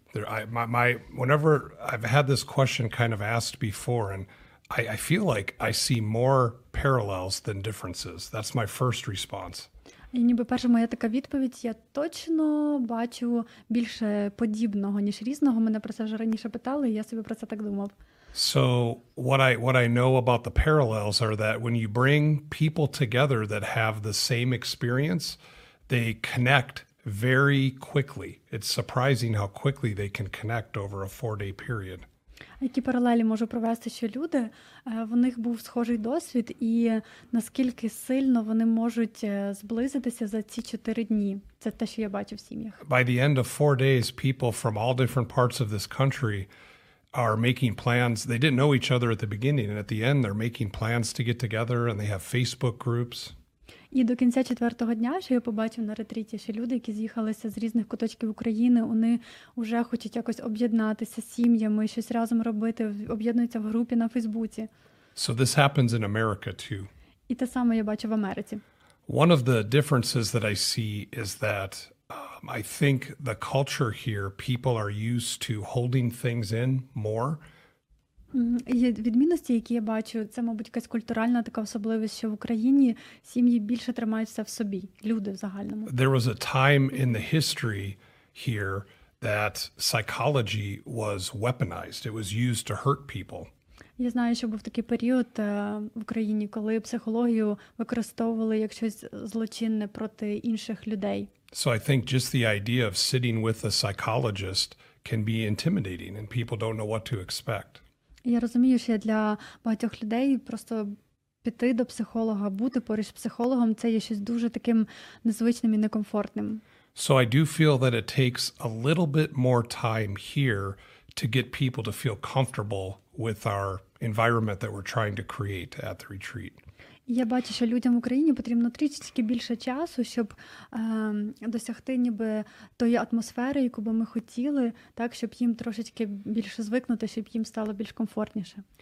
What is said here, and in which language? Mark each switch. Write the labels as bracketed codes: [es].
[en] There, whenever I've had this question kind of asked before, and I feel like I see more parallels than differences. That's my first response. [uk] І ніби перша моя така відповідь, я точно бачу більше подібного, ніж різного. Мене про це вже раніше питали, і я собі про це так думав. [en] So what I know about the parallels are that when you bring people together that have the same experience, they connect very quickly. It's surprising how quickly they can connect over a 4-day period. [uk] Які паралелі можу провести, що люди, в них був схожий досвід, і наскільки сильно вони можуть зблизитися за ці 4 дні. Це те, що я бачу в сім'ях. [en] By the end of 4 days, people from all different parts of this country are making plans. They didn't know each other at the beginning, and at the end they're making plans to get together, and they have Facebook groups. [uk] І до кінця четвертого дня, що я побачив на ретриті, що люди, які з'їхалися з різних куточків України, вони вже хочуть якось об'єднатися з сім'ями, щось разом робити, об'єднуються в групі на Фейсбуці. [en] So this happens in America too. [uk] І те саме я бачу в Америці. [en] One of the differences that I see is that I think the culture here, people are used to holding things in more. [uk] Відмінності, які я бачу, це, мабуть, якась культуральна така особливість, що в Україні сім'ї більше тримаються в собі, люди в загальному. [en] There was a time in the history here that psychology was weaponized. It was used to hurt people. [uk] Я знаю, що був такий період в Україні, коли психологію використовували як щось злочинне проти інших людей. [en] So I think just the idea of sitting with a psychologist can be intimidating and people don't know what to expect. [uk] Я розумію, що для багатьох людей просто піти до психолога, бути поруч з психологом, це є щось дуже таким незвичним і некомфортним. [en] So I do feel that it takes a little bit more time here to get people to feel comfortable with our environment that we're trying to create at the retreat. [uk] Я бачу, що людям в Україні потрібно трішечки більше часу, щоб досягти ніби тої атмосфери, яку би ми хотіли, так, щоб їм трошечки більше звикнути, щоб їм стало більш комфортніше.